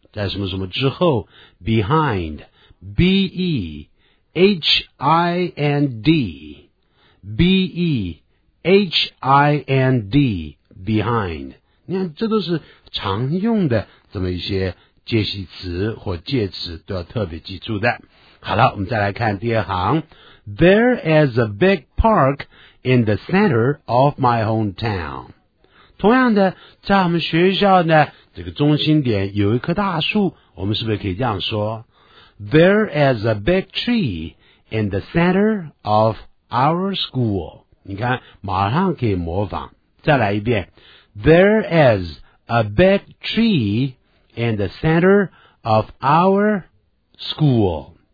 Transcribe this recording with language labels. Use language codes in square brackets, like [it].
[zh] 在什么什么之后 Behind B-E-H-I-N-D B-E-H-I-N-D behind， 你看这都是常用的这么一些介系词或介词，都要特别记住的。好了，我们再来看第二行。 [en] There is a big park in the center of my hometown。 [zh] 同样的，在我们学校的这个中心点有一棵大树，我们是不是可以这样说？ [en] There is a big tree in the center of our school。 [zh] 你看马上可以模仿，再来一遍。 [en] There is a big tree in the center of our school。